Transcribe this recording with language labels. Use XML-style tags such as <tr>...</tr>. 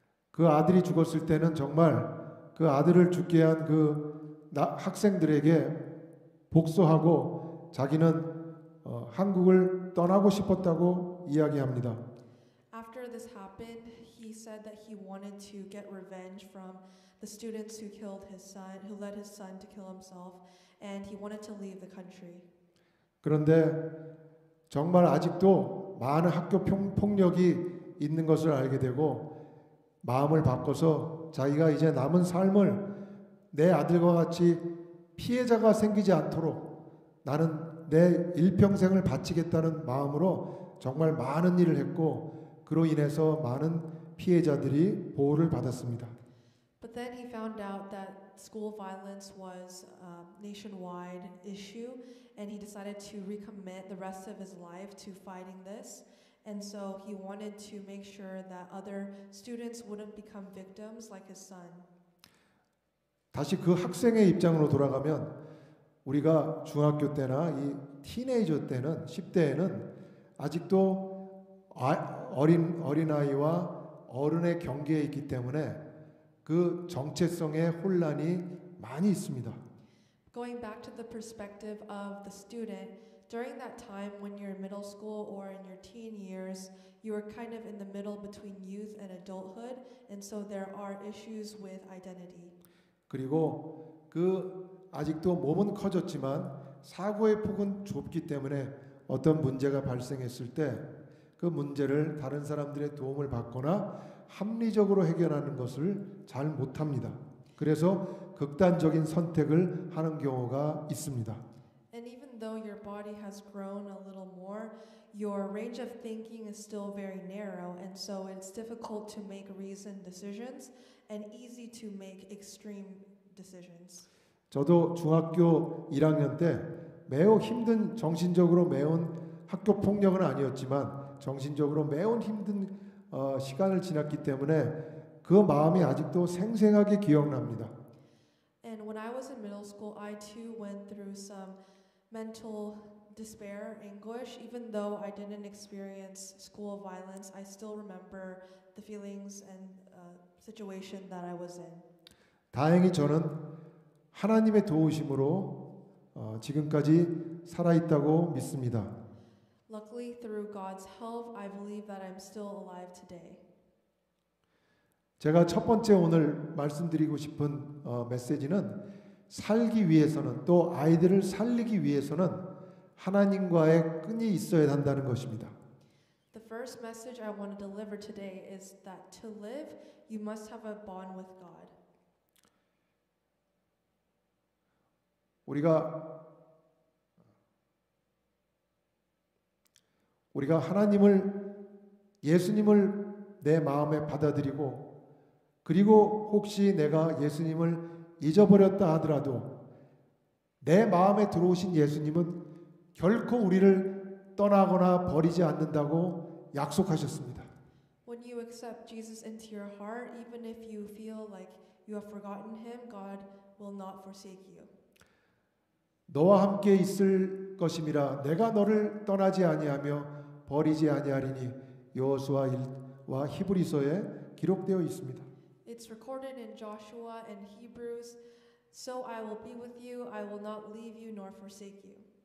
<ko>그 아들이 죽었을 때는 정말 그 아들을 죽게 한 그 학생들에게 복수하고 자기는 한국을 떠나고 싶었다고 이야기합니다.</ko> <en>After this happened, he said that he wanted to get revenge from the students who killed his son, who led his son to kill himself, and he wanted to leave the country.</en> <ko>그런데 정말 아직도 많은 학교 폭력이 있는 것을 알게 되고 마음을 바꿔서 자기가 이제 남은 삶을 내 아들과 같이 피해자가 생기지 않도록 나는 내 일평생을 바치겠다는 마음으로 정말 많은 일을 했고 그로 인해서 많은 피해자들이 보호를 받았습니다.</ko> <en>But then he found out that school violence was a nationwide issue and he decided to recommit the rest of his life to fighting this. And so he wanted to make sure that other students wouldn't become victims like his son.</en> <ko>다시 그 학생의 입장으로 돌아가면 우리가 중학교 때나 이 티네이저 때는 10대에는 아직도 어린아이와 어른의 경계에 있기 때문에 그 정체성의 혼란이 많이 있습니다.</ko> <en>Going back to the perspective of the student, during that time when you're in middle school or in your teen years, you are kind of in the middle between youth and adulthood, and so there are issues with identity.</en> <ko>그리고 그 아직도 몸은 커졌지만 사고의 폭은 좁기 때문에 어떤 문제가 발생했을 때 그 문제를 다른 사람들의 도움을 받거나 합리적으로 해결하는 것을 잘 못합니다. 그래서 극단적인 선택을 하는 경우가 있습니다.</ko> <en>And even though your body has grown a little more, your range of thinking is still very narrow, and so it's difficult to make reasoned decisions and easy to make extreme decisions.</en> <ko>저도 중학교 1학년 때 매우 힘든 정신적으로 매운 학교 폭력은 아니었지만 정신적으로 매우 힘든 시간을 지났기 때문에 그 마음이 아직도 생생하게 기억납니다.</ko> <en>And when I was in middle school, I too went through some mental despair, anguish. Even though I didn't experience school violence, I still remember the feelings and situation that I was in.</en> <ko>다행히 저는 하나님의 도우심으로 지금까지 살아있다고 믿습니다.</ko> <en>Luckily, through God's help, I believe that I'm still alive today.</en> <ko>제가 첫 번째 오늘 말씀드리고 싶은 메시지는 살기 위해서는 또 아이들을 살리기 위해서는 하나님과의 끈이 있어야 한다는 것입니다.</ko> <en>The first message I want to deliver today is that to live, you must have a bond with God.</en> <ko>우리가 하나님을 예수님을 내 마음에 받아들이고 그리고 혹시 내가 예수님을 잊어버렸다 하더라도 내 마음에 들어오신 예수님은 결코 우리를 떠나거나 버리지 않는다고 약속하셨습니다.</ko> <en>When you accept Jesus into your heart, even if you feel like you have forgotten him, God will not forsake you.</en> <ko>너와 함께 있을 것임이라 내가 너를 떠나지 아니하며 버리지 아니하리니 여호수아와 히브리서에 기록되어 있습니다.</ko> <en>It's recorded in Joshua and Hebrews. So I will be with you. I will not leave you nor forsake you.</en>